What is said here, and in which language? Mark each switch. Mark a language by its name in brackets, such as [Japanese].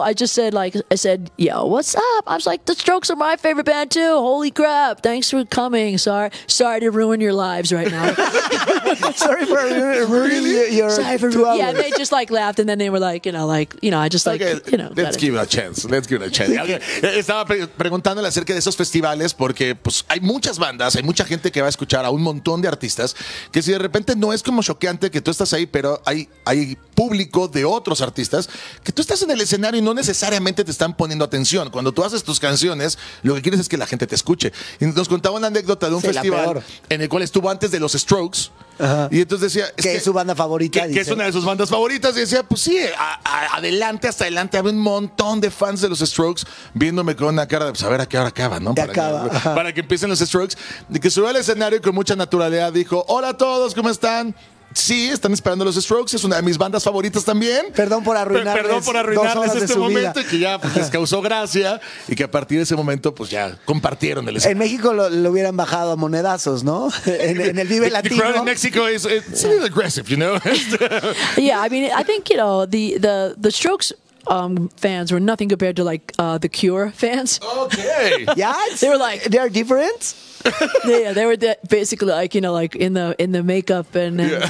[English] I just said like I said, yo, what's up? I was like, the Strokes are my favorite band too. Holy crap! Thanks for coming. Sorry to ruin your lives right now. Sorry for ruining really? Your sorry for 2 hours. Yeah, they just like laughed and then they were like, you know, like you know, I just like okay, you know. Let's give it a chance. Let's give it a chance. Okay. [Spanish] Estaba preguntándole acerca de esos festivales porque pues hay muchas bandas, hay mucha gente que va a escuchar a un montón de artistas, que si de repente no es como choqueante que tú estás ahí, pero hay público de otros artistas que tú estás en el escenario y no necesariamente te están poniendo atención. Cuando tú haces tus canciones, lo que quieres es que la gente te escuche. Y nos contaba una anécdota de un festival en el cual estuvo antes de los Strokes. Ajá. Y entonces decía que es su banda favorita, que es una de sus bandas favoritas. Y decía, pues sí, hasta adelante había un montón de fans de los Strokes viéndome con una cara de pues, a ver a qué hora acaba, ¿no? Para que empiecen los Strokes. Y que subió al escenario y con mucha naturalidad dijo: hola a todos, ¿cómo están? Sí, están esperando los Strokes, es una de mis bandas favoritas también. Perdón por arruinarles. Perdón por arruinarles este momento y que ya pues, les causó gracia y que a partir de ese momento pues ya compartieron el escenario. En México lo hubieran bajado a monedazos, ¿no? En el Vive Latino. [English] The crowd in Mexico is it's a little aggressive, you know. Yeah, I mean, I think you know the Strokes fans were nothing compared to like the Cure fans. Okay. Yeah, they were like they're different. Yeah, they were basically like, you know, like in the makeup and, yeah.